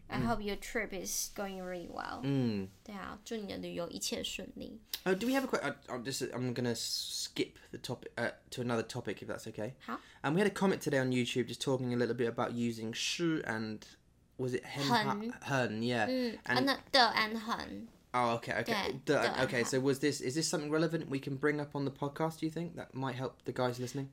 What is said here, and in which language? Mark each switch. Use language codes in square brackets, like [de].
[en] I hope your trip is going really well. Mm. [zh] 对啊，祝你的旅游一切顺利。 [en] Oh, do we have a question? I'm going to skip the topic to another topic, if that's okay. How? And we had a comment today on YouTube just talking a little bit about using 是 and was it [zh] 很 [en] yeah. And 的 and 很. Oh, okay, okay. 对, 的, okay, so was this, is this something relevant we can bring up on the podcast, do you think, that might help the guys listening?